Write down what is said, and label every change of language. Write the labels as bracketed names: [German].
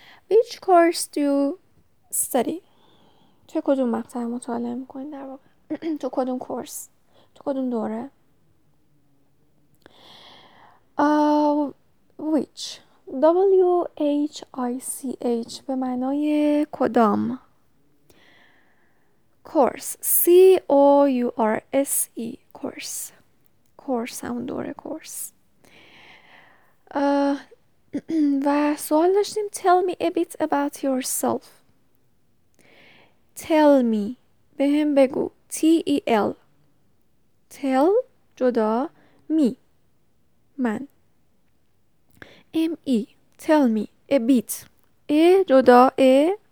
[English] Which course do you study? [Persian] تو کدوم مقطع مطالعه میکنی در واقع؟ تو کدوم کورس؟ تو کدوم دوره؟ Which W-H-I-C-H به معنای کدام. [English] Course C-O-U-R-S-E. Course. [Persian] Course همون دوره. [English] Course. [Persian] و سوال داشتیم [English] Tell me a bit about yourself. tell me [Persian] به هم بگو [English] T-E-L tell جدا me من M-E tell me a bit a جدا a